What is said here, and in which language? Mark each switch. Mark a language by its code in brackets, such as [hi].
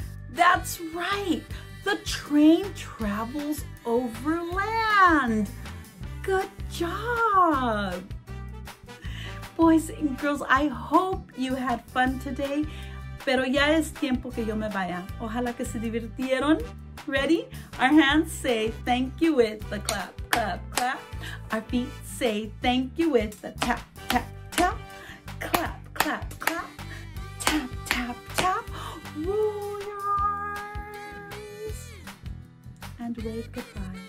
[en] That's right! The train travels over land. Good job! Boys and girls, I hope you had fun today. [es] Pero ya es tiempo que yo me vaya. Ojalá que se divirtieron. [en] Ready? Our hands say thank you with the clap, clap, clap. Our feet say thank you with the tap, tap, tap. Clap, clap, clap. Tap, tap, tap. Roll your arms. And wave goodbye.